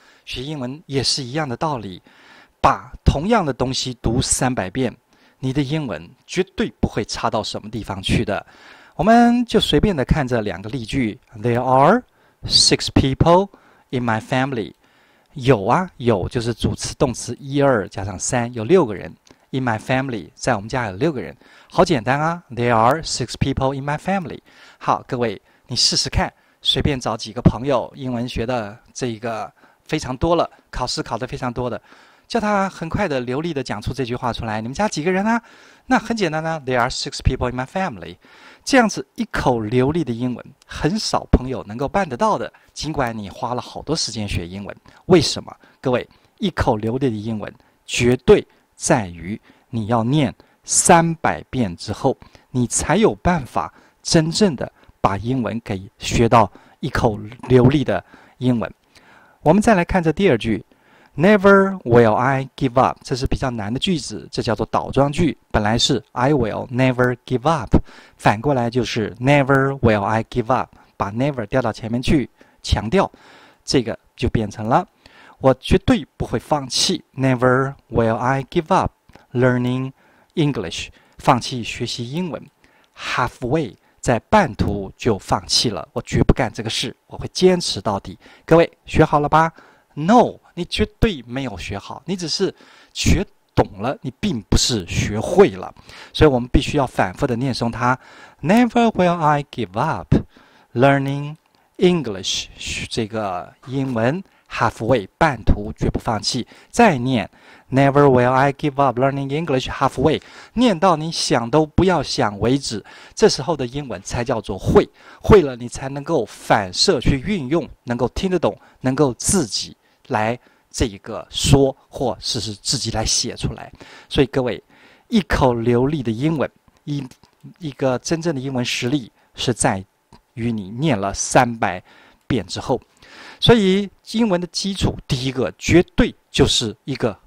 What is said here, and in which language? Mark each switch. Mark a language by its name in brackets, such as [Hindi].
[Chinese] 学英文也是一样的道理，把同样的东西读300遍，你的英文绝对不会差到什么地方去的。我们就随便的看这两个例句： [English] There are 6 people in my family。 [Chinese] 有啊，有就是主词、动词一二加上三，有6个人。 [English] In my family， [Chinese] 在我们家有6个人，好简单啊。 [English] There are 6 people in my family。 [Chinese] 好，各位你试试看，随便找几个朋友，英文学的这个非常多了，考试考得非常多的，叫他很快的、流利的讲出这句话出来。你们家几个人啊？那很简单啊。 [English] There are 6 people in my family。 [Chinese] 这样子一口流利的英文，很少朋友能够办得到的。尽管你花了好多时间学英文，为什么？各位，一口流利的英文，绝对在于你要念300遍之后，你才有办法真正的把英文给学到一口流利的英文。我们再来看这第二句， [English] Never will I give up。 [Chinese] 这是比较难的句子，这叫做倒装句。本来是 [English] I will never give up， [Chinese] 反过来就是 [English] Never will I give up， [Chinese] 把 never 调到前面去，强调，这个就变成了我绝对不会放弃。 [English] Never will I give up learning English， [Chinese] 放弃学习英文。 Halfway，在半途就放弃了，我绝不干这个事，我会坚持到底。各位学好了吧？No，你绝对没有学好，你只是学懂了，你并不是学会了。所以我们必须要反复的念诵它。 [English] Never will I give up learning English， [Chinese] 这个英文 [English] halfway [Chinese] 半途绝不放弃。再念 [English] Never will I give up learning English halfway， [Chinese] 念到你想都不要想为止。这时候的英文才叫做会，会了你才能够反射去运用，能够听得懂，能够自己来这个说，或是自己来写出来。所以各位，一口流利的英文，一个真正的英文实力是在与你念了300遍之后。所以英文的基础，第一个绝对就是一个